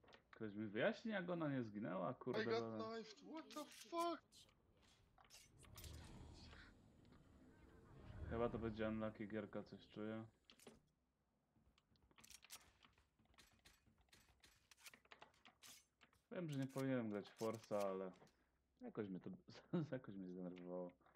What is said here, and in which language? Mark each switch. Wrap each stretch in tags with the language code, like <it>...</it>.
<pl>Ktoś mi wyjaśni, jak ona nie zginęła, kurde.</pl> <en>I got knifed, what the fuck?</en> <pl>Chyba to będzie unlucky gierka, coś czuję. Wiem, że nie powinienem grać Forza, ale jakoś mnie to jakoś mnie zdenerwowało.</pl>